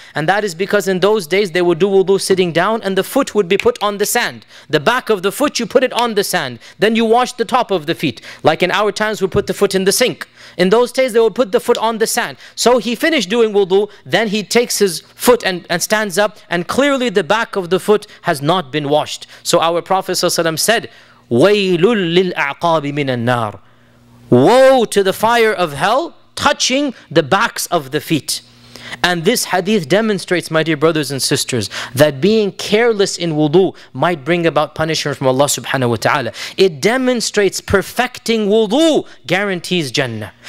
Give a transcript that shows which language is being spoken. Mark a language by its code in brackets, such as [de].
[en] And that is because in those days they would do wudu sitting down, and the foot would be put on the sand. The back of the foot, you put it on the sand, then you wash the top of the feet. Like in our times, we put the foot in the sink. In those days, they would put the foot on the sand. So he finished doing wudu, then he takes his foot and stands up, and clearly the back of the foot has not been washed. So our Prophet ﷺ said, [ar] وَيْلٌ لِلْأَعْقَابِ مِنَ النَّارِ. [en] Woe to the fire of hell touching the backs of the feet. And this hadith demonstrates, my dear brothers and sisters, that being careless in wudu might bring about punishment from Allah subhanahu wa ta'ala. It demonstrates perfecting wudu guarantees Jannah.